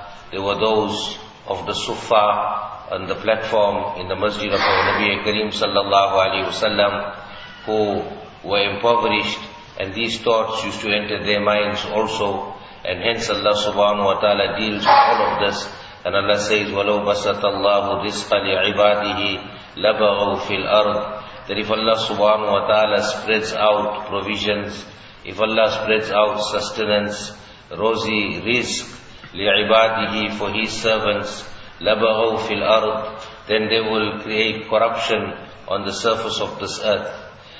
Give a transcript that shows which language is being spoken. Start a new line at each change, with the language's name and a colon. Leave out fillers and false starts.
English: There were those of the suffa on the platform in the masjid of our Nabi Kareem sallallahu alayhi wa sallam who were impoverished, and these thoughts used to enter their minds also. And hence Allah subhanahu wa ta'ala deals with all of this. And Allah says,
Arabic: وَلَوْ بَسَطَ اللَّهُ رِزْقَ لِعِبَادِهِ لَبَغَوْا فِي الْأَرْضِ.
English: That if Allah subhanahu wa ta'ala spreads out provisions, if Allah spreads out sustenance, rosy risk, لِعِبَادِهِ for His servants,
Arabic: لَبَغَوْا فِي الْأَرْضِ,
English: then they will create corruption on the surface of this earth.